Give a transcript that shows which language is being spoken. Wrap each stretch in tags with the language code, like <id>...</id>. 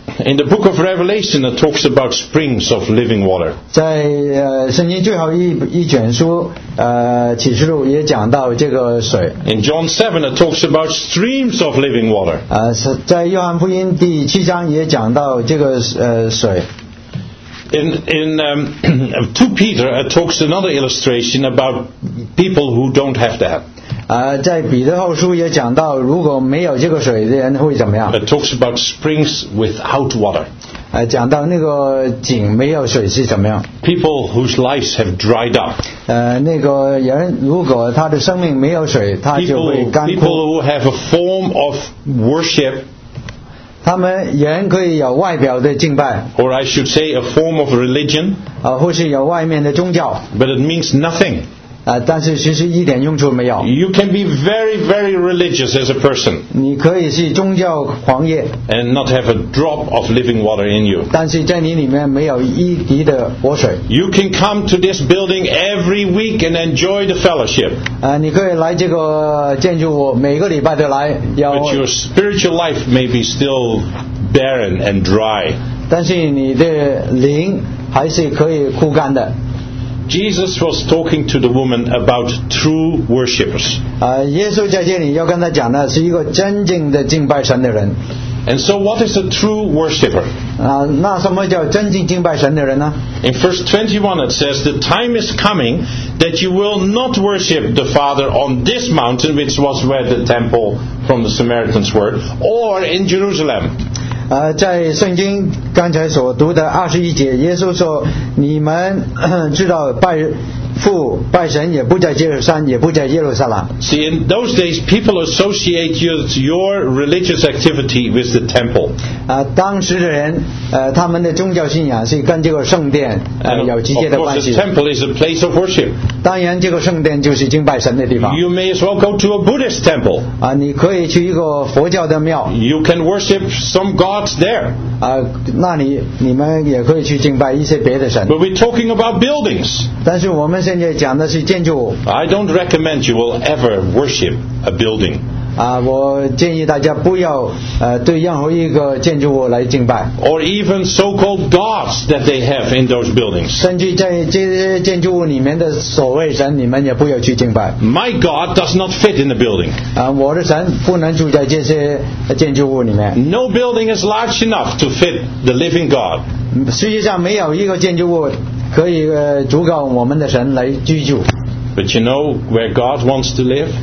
<en>In the book of Revelation, it talks about springs of living water.</en> <zh>在圣经最后一卷书，启示录也讲到这个水。</zh> <en>In John 7, it talks about streams of living water.</en> <zh>在约翰福音第七章也讲到这个水。</zh> <en>In 2 Peter, it talks another illustration about people who don't have that.</en> <zh>在彼得后书也讲到，如果没有这个水的人会怎么样？</zh> <en>It talks about springs without water.</en> <zh>讲到那个井没有水是怎么样？</zh> <en>People whose lives have dried up.</en> <zh>那个人如果他的生命没有水，他就会干枯。</zh> <en>People who have a form of worship.</en> <zh>他们人可以有外表的敬拜</zh> <en>or I should say a form of religion</en> <zh>或是有外面的宗教</zh> <en>but it means nothing</en> <zh>但是其实一点用处没有</zh> <en>you can be very very religious as a person</en> <zh>你可以是宗教狂业</zh> <en>and not have a drop of living water in you</en> <zh>但是在你里面没有一滴的活水</zh> <en>you can come to this building every week and enjoy the fellowship</en> <zh>你可以来这个建筑物每个礼拜都来</zh> <en>but your spiritual life may be still barren and dry</en> <zh>但是你的灵还是可以枯干的</zh> <en>Jesus was talking to the woman about true worshippers.</en> <zh>耶稣在这里要跟他讲的是一个真正的敬拜神的人。</zh> <en>And so what is a true worshipper?</en> <zh>那什么叫真正敬拜神的人呢?</zh> <en>In verse 21 it says, The time is coming that you will not worship the Father on this mountain, which was where the temple from the Samaritans were, or in Jerusalem.</en> <zh>在圣经刚才所读的二十一节，耶稣说：“你们知道拜父拜神也不在耶路撒冷，也不在耶路撒冷。”</zh> <en>See, in those days, people associate your religious activity with the temple.</en> <zh>当时的人，他们的宗教信仰是跟这个圣殿有直接的关系。</zh> <en>And of course, the temple is a place of worship.</en> <zh>当然，这个圣殿就是敬拜神的地方。</zh> <en>You may as well go to a Buddhist temple.</en> <zh>你可以去一个佛教的庙。</zh> <en>You can worship some gods there.</en> <zh>那你们也可以去敬拜一些别的神。</zh> <en>But we're talking about buildings.</en> <zh>但是我们现在讲的是建筑物。</zh> <en>I don't recommend you will ever worship a building.</en> <zh>我建议大家不要对任何一个建筑物来敬拜。</zh> <en>Or even so-called gods that they have in those buildings.</en> <zh>甚至在这些建筑物里面的所谓神，你们也不要去敬拜。</zh> <en>My God does not fit in the building.</en> <zh>我的神不能住在这些建筑物里面。</zh> <en>No building is large enough to fit the living God.</en> <zh>实际上没有一个建筑物。可以足够我们的神来居住。</zh> <en>But you know where God wants to live?</en>